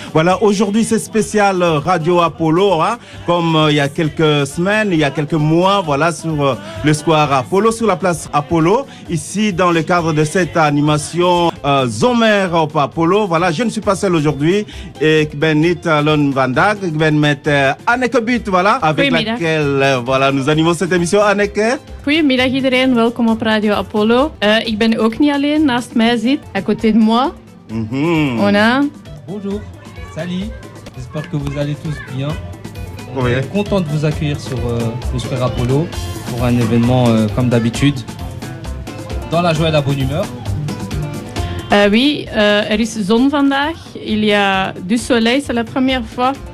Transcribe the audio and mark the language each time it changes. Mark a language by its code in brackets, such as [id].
[fr] Voilà, aujourd'hui c'est spécial Radio Apollo, hein, comme il y a quelques semaines, il y a quelques mois, voilà, sur le square Apollo, sur la place Apollo, ici dans le cadre de cette animation Zomer op Apollo. Voilà, je ne suis pas seul aujourd'hui, et [nl] Kbenit Lon Vandag, Kbenmet Anneke But, [fr] voilà, avec laquelle voilà, nous animons cette émission, Anneke. [nl] Goedemiddag iedereen, welkom op Radio Apollo. Ik ben ook niet alleen, naast mij zit, [fr] à côté de moi, on a... Bonjour, salut, j'espère que vous allez tous bien. Oui. Je suis content de vous accueillir sur le Square Apollo pour un événement comme d'habitude, dans la joie et la bonne humeur. [nl] Er is zon vandaag, [fr] il y a du soleil, c'est la première fois.